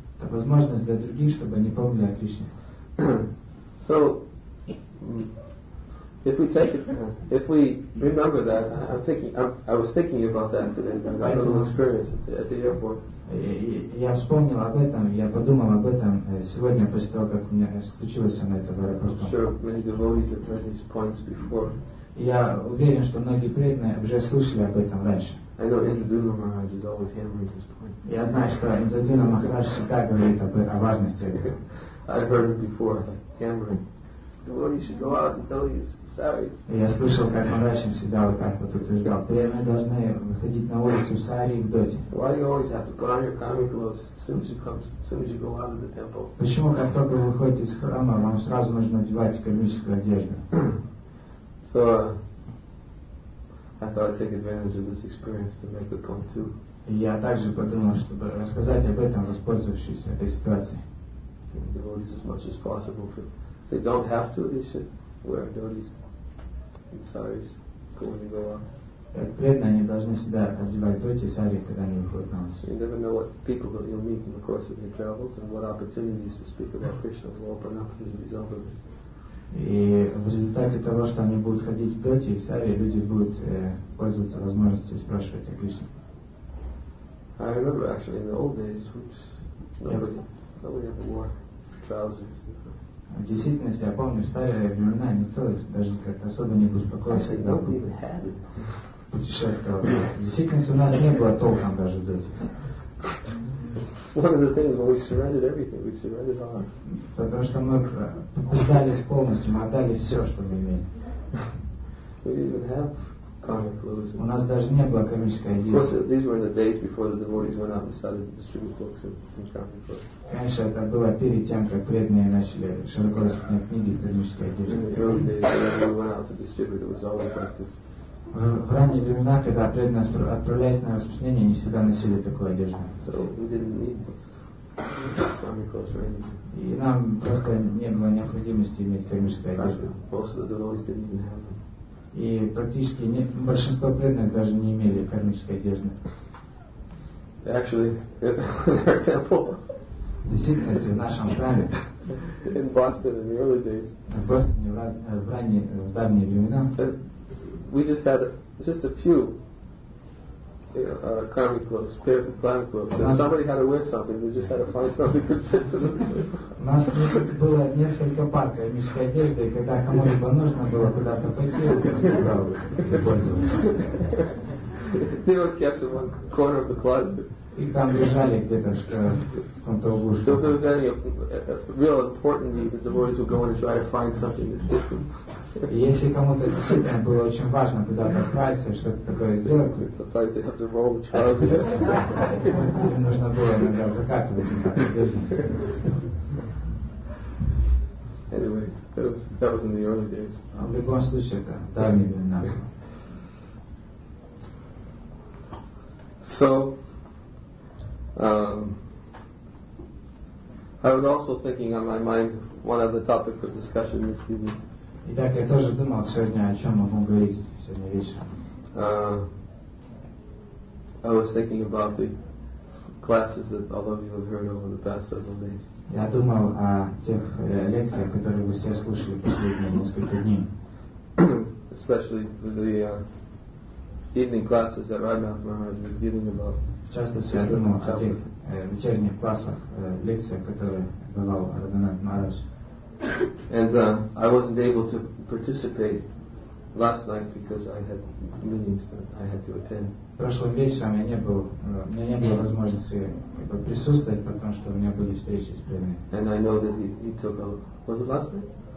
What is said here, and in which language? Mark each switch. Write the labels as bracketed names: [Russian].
[Russian] Возможность для других, чтобы они помнили о Кришне. [English] So, if we take it, if we remember that, I was thinking about that today, my little experience at the airport. [Russian] Я вспомнил об этом, я подумал об этом сегодня после того, как у меня случилось со мной это в аэропорту. [English] Sure, many devotees have heard these points before. [Russian] Я уверен, что многие преданные уже слышали об этом раньше. [English] I know Indraduna Maharaj is always hammering this point. [Russian] Я знаю, что Индрадуна Махарадж всегда говорит о важности этого. [English] I've heard it before, like hammering. devotees should go out and tell his saris. [Russian] Я слышал, как он раньше всегда вот так вот утверждал: преми должны выходить на улицу в сари и в доте. [English] Why do you always have to put on your karmic clothes as soon as you come, as soon as you go out of the temple? [Russian] Почему, как только вы выходите из храма, вам сразу нужно одевать кармическую одежду? [English] So I thought I'd take advantage of this experience to make the point too. [Russian] И я также подумал, чтобы рассказать об этом, воспользовавшись этой ситуацией. [English] Devotees as much as possible. If they don't have to, they should wear dhotis and saris when they go out. [Russian] Так преданные, они должны всегда одевать доти и сари, когда они выходят на улицу. [English] You never know what people that you'll meet in the course of your travels and what opportunities to speak about Krishna will open up as a result of it. [Russian] И в результате того, что они будут ходить в доти и в сари, люди будут пользоваться возможностью спрашивать о Кришне. [English] I remember actually in the old days, which nobody ever wore trousers. [Russian] В действительности, я помню, в старые времена никто даже как-то особо не беспокоился. [English] Nobody even had it. [Russian] Путешествовал. В действительности у нас не было толком даже дети. [English] One of the things when we surrendered everything, we surrendered all. [Russian] Потому что мы сдались полностью, мы отдали все, что мы имели. [English] We didn't even have. Clothes. [Russian] У нас даже не было кармической одежды. [English] Of course, these were in the days before the devotees went out and started to distribute books and karmic clothes. [Russian] Конечно, это было перед тем, как преданные начали широко распространять книги и кармической одежды. В ранние времена, когда преданные отправлялись на распространение, они всегда носили такую одежду. [English] So we didn't need karmic clothes or anything. [Russian] И нам просто не было необходимости иметь кармическую одежду. [English] Most of the devotees didn't even have them. [Russian] И практически большинство преданных даже не имели кармической одежды. [English] Actually, in our temple. [Russian] В действительности, в нашем храме. [English] In Boston, in the early days. [Russian] В Бостоне в давние времена. [English] We just had just a few karmic clothes, pairs of karmic clothes. If somebody had to wear something, they just had to find something to fit them. [Russian] У нас было несколько пар кармической одежды, и когда кому-либо нужно было куда-то пойти, он просто брал и пользовался. [English] They were kept in one corner of the closet. [Russian] Их там держали где-то в каком-то углу. [English] So if there was any real important need, the devotees would go in and try to find something to fit them. [Russian] Если кому-то действительно было очень важно куда-то отправиться, что-то такое сделать, [English] sometimes they have to roll the trousers. [Russian] Им нужно было иногда закатывать на одежду. [English] Anyways, that was in the early days. [Russian] В любом случае, это давние времена. [English] So, I was also thinking on my mind one other topic for discussion this evening. [Russian] Итак, я тоже думал сегодня, о чем мы будем говорить сегодня вечером. [English] I was thinking about the classes that all of you have heard over the past several days. [Russian] Я думал о тех лекциях, которые вы все слушали последние несколько дней. [English] Especially the evening classes that Radhanath Maharaj was giving about. [Russian] В частности, я думал о тех вечерних классах, лекциях, которые давал Радханат Махарадж. [English] And I wasn't able to participate last night because I had meetings that I had to attend. [Russian] Прошлым вечером у меня не было возможности присутствовать, потому что у меня были встречи с преданными. [English] And I know that he took a was it last night?